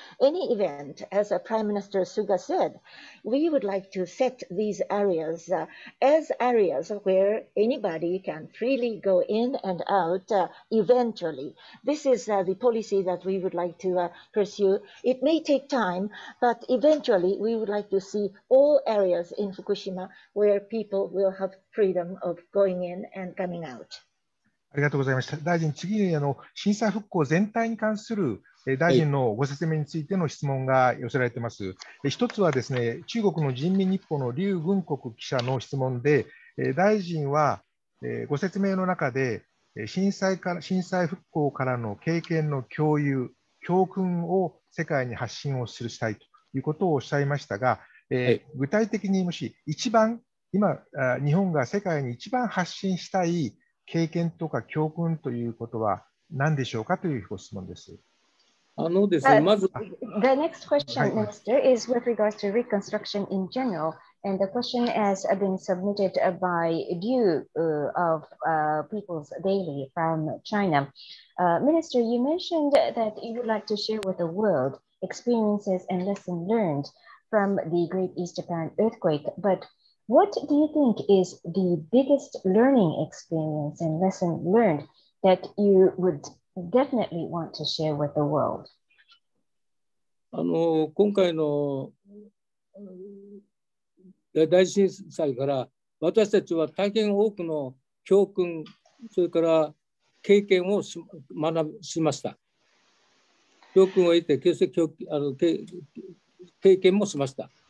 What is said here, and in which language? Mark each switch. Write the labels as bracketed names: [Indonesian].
[English] Any event, as Prime Minister Suga said, we would like to set these areas as areas where anybody can freely go in and out eventually. This is the policy that we would like to pursue. It may take time, but eventually we would like to see all areas in Fukushima where people will have freedom of going in and coming out. [Japanese] ありがとうございました。大臣、次に震災復興全体に関する大臣のご説明についての質問が寄せられています。一つはですね、中国の人民日報の劉軍国記者の質問で、大臣はご説明の中で震災復興からの経験の共有、教訓を世界に発信をしたいということをおっしゃいましたが、具体的にもし一番今日本が世界に一番発信したい経験とか教訓ということは何でしょうかというご質問です。 [English] The next question, Minister, is with regards to reconstruction in general. And the question has been submitted by Liu of People's Daily from China. Minister, you mentioned that you would like to share with the world experiences and lessons learned from the Great East Japan earthquake. But what do you think is the biggest learning experience and lesson learned that you would definitely want to share with the world? [Japanese] 今回の大震災から私たちは大変多くの教訓それから経験を学びました。教訓を得て経験もしました。